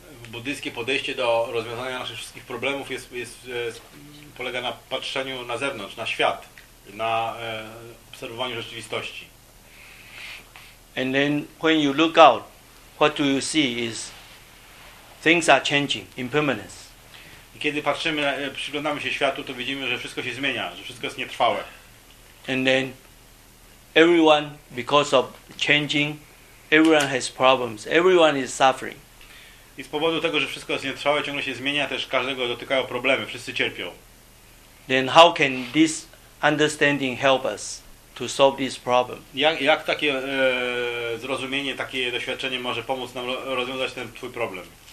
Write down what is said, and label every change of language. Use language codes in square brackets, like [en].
[pl] Buddhistyckie podejście do rozwiązania naszych wszystkich problemów jest polega na patrzeniu na zewnątrz, na świat, na obserwowaniu rzeczywistości. [en] And then when you look out, what do you see is things are changing, impermanence. [pl] I kiedy patrzymy, przyglądamy się światu, to widzimy, że wszystko się zmienia, że wszystko jest nietrwałe. [en] And then everyone, because of changing, everyone has problems, everyone is suffering. [pl] I z powodu tego, że wszystko jest nietrwałe, ciągle się zmienia, też każdego dotykają problemy, wszyscy cierpią. [en] Then how can this understanding help us to solve this problem? [pl] Jak takie zrozumienie, takie doświadczenie może pomóc nam rozwiązać ten twój problem?